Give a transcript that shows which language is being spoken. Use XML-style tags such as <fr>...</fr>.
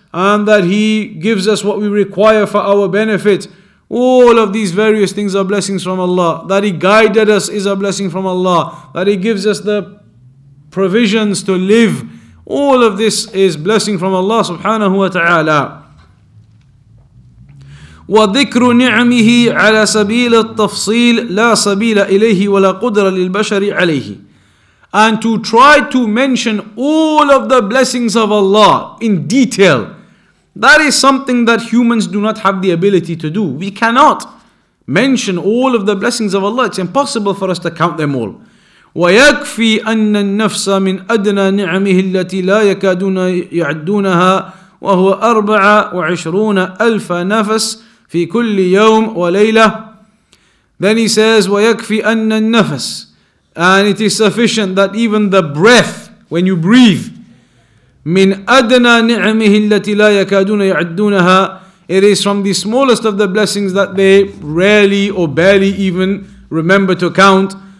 <en>And that He gives us what we require for our benefit. All of these various things are blessings from Allah. That He guided us is a blessing from Allah. That He gives us the provisions to live. All of this is blessing from Allah subhanahu wa ta'ala.</en> <ar>وذكر نعمه على سبيل التفصيل لا سبيل إليه ولا قدرة للبشر عليه.</ar> <en>And to try to mention all of the blessings of Allah in detail, that is something that humans do not have the ability to do. We cannot mention all of the blessings of Allah. It's impossible for us to count them all.</en> <ar>ويكفي أن النفس من أدنى نعمه التي لا يكادون يعدونها وهو 24,000 نفس في كل يوم وليلة.</ar> <en>Then he says,</en> <ar>ويكفي أن النفس.</ar> <en>And it is sufficient that even the breath, when you breathe,</en> <ar>من أدنى نعمه التي لا يكادون يعدونها,</ar> <en>it is from the smallest of the blessings that they rarely or barely even remember to count.</en>